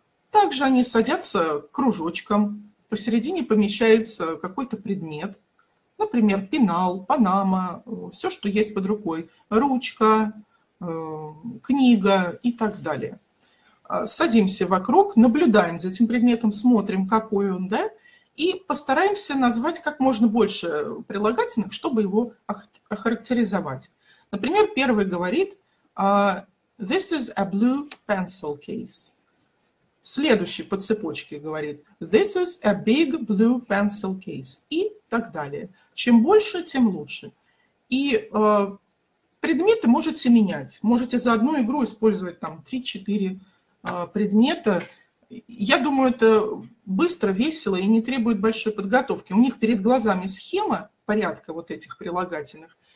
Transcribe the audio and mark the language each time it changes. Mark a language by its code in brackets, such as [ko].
[ru] Также они садятся кружочком, посередине помещается какой-то предмет, например, пенал, панама, все, что есть под рукой, ручка, книга и так далее. Садимся вокруг, наблюдаем за этим предметом, смотрим, какой он, да, и постараемся назвать как можно больше прилагательных, чтобы его охарактеризовать. Например, первый говорит [en] «This is a blue pencil case». [ru] Следующий по цепочке говорит [en] «This is a big blue pencil case». [ru] И так далее. Чем больше, тем лучше. И предметы можете менять. Можете за одну игру использовать там 3-4 предмета. Я думаю, это быстро, весело и не требует большой подготовки. У них перед глазами схема порядка вот этих прилагательных.